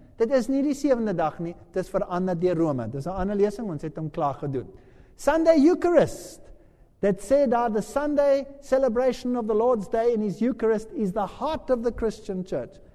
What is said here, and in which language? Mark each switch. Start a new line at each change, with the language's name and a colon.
Afrikaans: Dit is nie die sewende dag nie, dit is verander deur Rome. Dit is een ander lesing, ons het hom klaar gedoen.
English: Sunday Eucharist,
Afrikaans: dit sê daar,
English: the Sunday celebration of the Lord's Day in his Eucharist is the heart of the Christian church.